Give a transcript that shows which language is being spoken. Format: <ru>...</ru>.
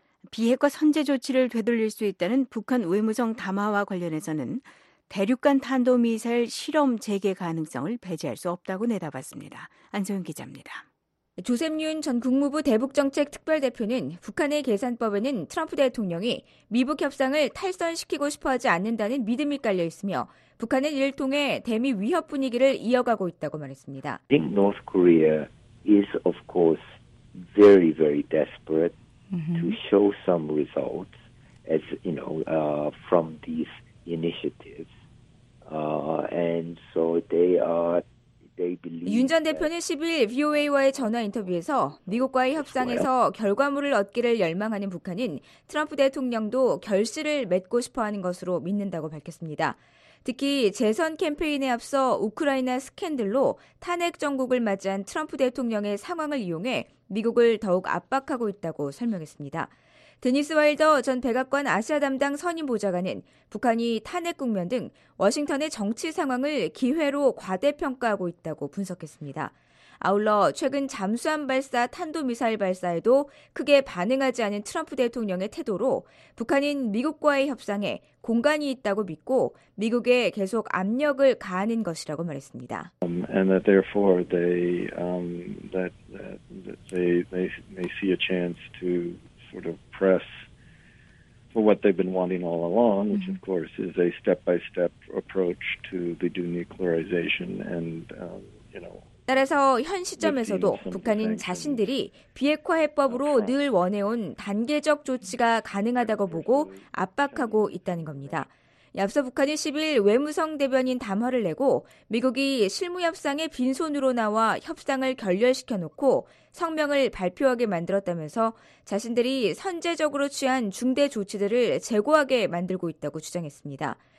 <ko>비핵화 선제 조치를 되돌릴 수 있다는 북한 외무성 담화와 관련해서는 대륙간 탄도미사일 실험 재개 가능성을 배제할 수 없다고 내다봤습니다. 안소영 기자입니다. 조셉 윤 전 국무부 대북정책특별대표는 북한의 계산법에는 트럼프 대통령이 미북 협상을 탈선시키고 싶어하지 않는다는 믿음이 깔려 있으며 북한은 이를 통해 대미 위협 분위기를 이어가고 있다고 말했습니다.</ko> <en>I think North Korea is of course very very desperate to show some results as you know from these initiatives. And so they are</en> <ko>윤 전 대표는 10일 VOA와의 전화 인터뷰에서 미국과의 협상에서 결과물을 얻기를 열망하는 북한은 트럼프 대통령도 결실을 맺고 싶어하는 것으로 믿는다고 밝혔습니다. 특히 재선 캠페인에 앞서 우크라이나 스캔들로 탄핵 정국을 맞이한 트럼프 대통령의 상황을 이용해 미국을 더욱 압박하고 있다고 설명했습니다. 데니스 와일더 전 백악관 아시아 담당 선임 보좌관은 북한이 탄핵 국면 등 워싱턴의 정치 상황을 기회로 과대평가하고 있다고 분석했습니다. 아울러 최근 잠수함 발사 탄도미사일 발사에도 크게 반응하지 않은 트럼프 대통령의 태도로 북한은 미국과의 협상에 공간이 있다고 믿고 미국에 계속 압력을 가하는 것이라고 말했습니다.</ko> <en>And that therefore they see a chance to sort of press for what they've been wanting all along, which of course is a step-by-step approach to the denuclearization and you know.</en> <ko>따라서 현 시점에서도 북한은 자신들이 비핵화 해법으로 늘 원해온 단계적 조치가 가능하다고 보고 압박하고 있다는 겁니다. 앞서 북한이 10일 외무성 대변인 담화를 내고 미국이 실무협상의 빈손으로 나와 협상을 결렬시켜놓고 성명을 발표하게 만들었다면서 자신들이 선제적으로 취한 중대 조치들을 재고하게 만들고 있다고 주장했습니다.</ko>